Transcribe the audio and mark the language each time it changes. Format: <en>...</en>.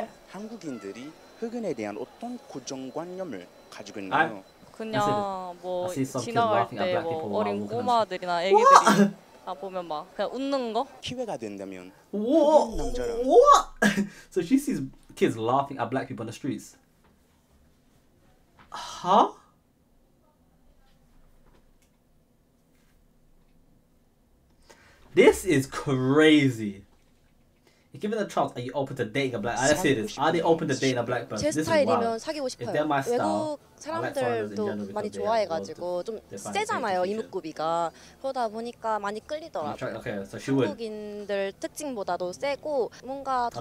<ko>한국인들이 흑인에 대한 어떤 고정관념을 가지고 있나요? 그냥 뭐 지나갈 때 뭐 어린 꼬마들이나 애기들이 아 보면 막 그냥 웃는 거? 기회가 된다면</ko> <en>What? So she sees kids laughing at black people on the streets. Huh? This is crazy. Given the chance, are you open to dating a black? I say this. Are they open to dating a black person? This is wild. If they're my style.</en> <ko>사람들도 like 많이 좋아해가지고 좀 세잖아요 이목구비가 그러다 보니까 많이 끌리더라고요.</ko> <en>Okay, so</en> <ko>한국인들</ko> <en>would.</en> <ko>특징보다도 세고 뭔가 더</ko>